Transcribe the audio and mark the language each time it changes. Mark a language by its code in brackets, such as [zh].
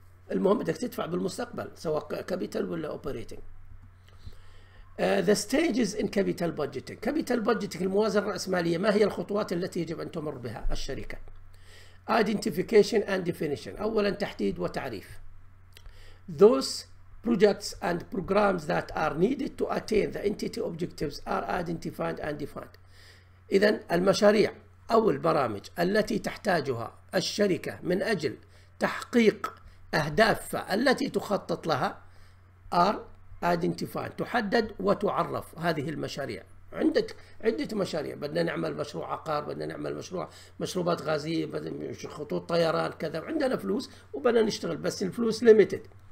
[ar] المهم بدك تدفع بالمستقبل سواء capital ولا operating. [en] The stages in capital budgeting. [ar] Capital budgeting الموازنة الرأسمالية، ما هي الخطوات التي يجب أن تمر بها الشركة؟ [en] Identification and definition، [ar] أولا تحديد وتعريف. [en] Those projects and programs that are needed to attain the entity objectives are identified and defined. [ar] إذا المشاريع أو البرامج التي تحتاجها الشركة من أجل تحقيق أهدافها التي تخطط لها [en] are identified، [ar] تحدد وتعرف هذه المشاريع. عندك عدة مشاريع، بدنا نعمل مشروع عقار، بدنا نعمل مشروع مشروبات غازية، خطوط طيران كذا، عندنا فلوس وبدنا نشتغل بس الفلوس limited.